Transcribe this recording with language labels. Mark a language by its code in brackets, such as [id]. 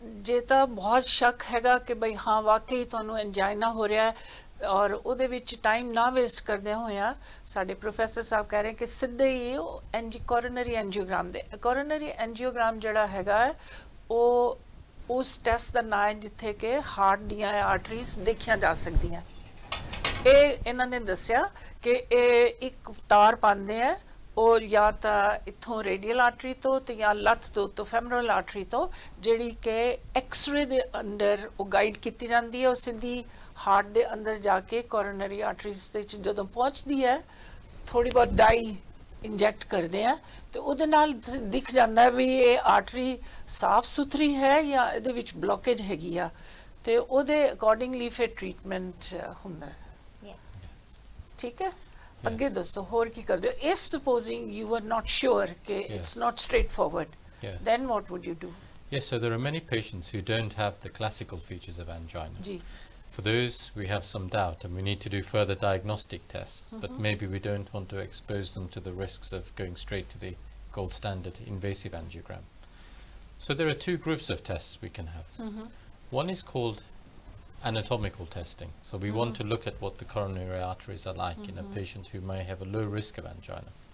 [pa] je ta bahut shak hega ke bhai ha waqai tonu angina ho reha hai aur ode vich time na waste karde hoya sade professor saab keh rahe ke sidhe hi coronary angiogram de coronary angiogram jada hega hai oh ਉਸ test ਦਾ ਨਾਂ ਹੈ ਜਿੱਥੇ ਕਿ heart ਦੀਆਂ arteries ਦੇਖੀਆਂ ਜਾ ਸਕਦੀਆਂ ਇਹ ਇਹਨਾਂ ਨੇ ਦੱਸਿਆ ਕਿ ਇਹ ਇੱਕ ਤਾਰ ਪਾਉਂਦੇ ਆ ਉਹ ਜਾਂ ਤਾਂ ਇੱਥੋਂ ਰੇਡੀਅਲ ਆਰਟਰੀ ਤੋਂ ਤੇ ਜਾਂ ਲੱਤ ਤੋਂ ਉੱਤੋਂ ਫੈਮਰਲ ਆਰਟਰੀ ਤੋਂ ਜਿਹੜੀ ਕਿ ਐਕਸਰੇ ਦੇ ਅੰਡਰ ਉਹ ਗਾਈਡ ਕੀਤੀ ਜਾਂਦੀ ਹੈ ਉਹ ਸਿੱਧੀ ਹਾਰਟ ਦੇ ਅੰਦਰ ਜਾ ਕੇ ਕੋਰੋਨਰੀ ਆਰਟਰੀਜ਼ ਵਿੱਚ ਜਦੋਂ ਪਹੁੰਚਦੀ ਹੈ ਥੋੜ੍ਹੀ ਬਹੁਤ ਡਾਈ ਇੰਜੈਕਟ ਕਰਦੇ ਹਾਂ ਅਤੇ ਉਹਦੇ ਨਾਲ ਦਿਖ ਜਾਂਦਾ ਵੀ ਇਹ ਆਰਟਰੀ ਸਾਫ਼ ਸੁਥਰੀ ਹੈ ਜਾਂ ਇਹਦੇ ਵਿੱਚ ਬਲੋਕੇਜ ਹੈਗੀ ਆ ਅਤੇ ਉਹਦੇ ਅਕੋਰਡਿੰਗਲੀ ਫਿਰ ਟ੍ਰੀਟਮੈਂਟ ਹੁੰਦਾ ਠੀਕ ਹੈ ਅੱਗੇ ਦੱਸੋ ਹੋਰ ਕੀ ਕਰਦੇ ਹੋ [en] if supposing you are not sure ਕਿ it's not straightforward then what would you do yes so there are many patients who don't have the classical features of angina [pa] ਜੀ [en] For those, we have some doubt and we need to do further diagnostic tests, mm-hmm. but maybe we don't want to expose them to the risks of going straight to the gold standard invasive angiogram. So there are two groups of tests we can have. Mm-hmm. One is called anatomical testing. So we mm-hmm. want to look at what the coronary arteries are like mm-hmm. in a patient who may have a low risk of angina.